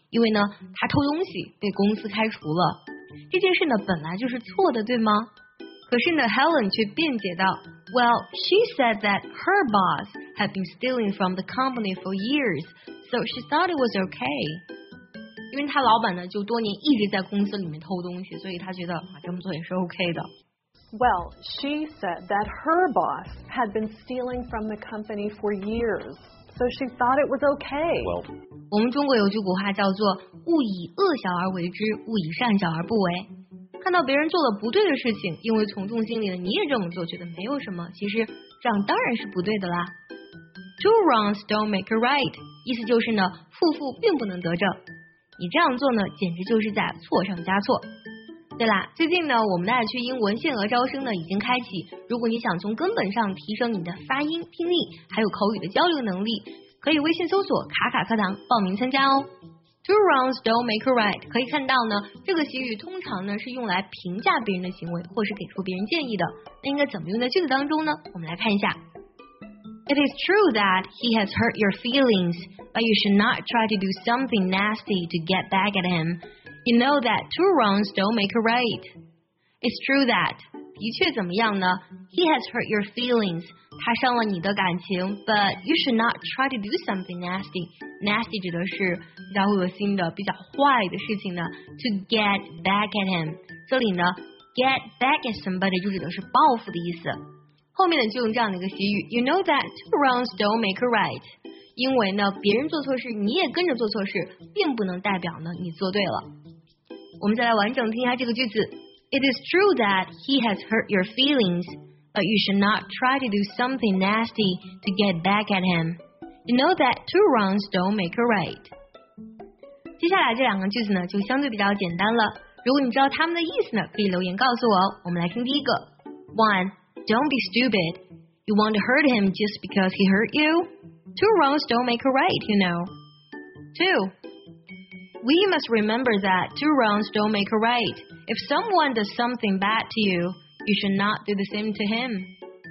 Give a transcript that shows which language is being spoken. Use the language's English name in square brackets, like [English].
[Chinese] 因为呢，她偷东西被公司开除了。这件事呢本来就是错的，对吗？可是呢 ，Helen 却辩解道。 [English] Well, she said that her boss had been stealing from the company for years, so she thought it was okay. [Chinese] 因为他老板呢，就多年一直在公司里面偷东西，所以他觉得啊，这么做也是 okay 的。 [English] Well, she said that her boss had been stealing from the company for years, so she thought it was okay. Well, [Chinese] 我们中国有句古话叫做“勿以恶小而为之，勿以善小而不为”。看到别人做了不对的事情，因为从众心理了，你也这么做，觉得没有什么。其实这样当然是不对的啦。 [English] Two wrongs don't make a right， [Chinese] 意思就是呢，负负并不能得正。你这样做呢，简直就是在错上加错。对啦，最近呢，我们的爱趣英文限额招生呢已经开启。如果你想从根本上提升你的发音、听力，还有口语的交流能力，可以微信搜索“卡卡课堂”报名参加哦。 [English] Two wrongs don't make a right. [Chinese] 可以看到呢，这个习语通常呢是用来评价别人的行为，或是给出别人建议的。那应该怎么用在句子当中呢？我们来看一下。 [English] It is true that he has hurt your feelings, but you should not try to do something nasty to get back at him. You know that two wrongs don't make a right. It's true that [Chinese] 的确怎么样呢 [English] ？He has hurt your feelings. [Chinese] 他伤了你的感情 [English] ，but you should not try to do something nasty. [Chinese] Nasty 指的是比较恶心的、比较坏的事情呢。 [English] To get back at him， [Chinese] 这里呢 ， [English] get back at somebody [Chinese] 就指的是报复的意思。后面呢就用这样的一个习语 ， [English] You know that two wrongs don't make a right， [Chinese] 因为呢别人做错事，你也跟着做错事，并不能代表呢你做对了。我们再来完整听一下这个句子 ： [English] It is true that he has hurt your feelings， but you should not try to do something nasty to get back at him。 You know that two wrongs don't make a right. [Chinese] 接下来这两个句子呢，就相对比较简单了。如果你知道他们的意思呢，可以留言告诉我。我们来听第一个。 [English] One, don't be stupid. You want to hurt him just because he hurt you? Two wrongs don't make a right, you know. Two, we must remember that two wrongs don't make a right. If someone does something bad to you, you should not do the same to him.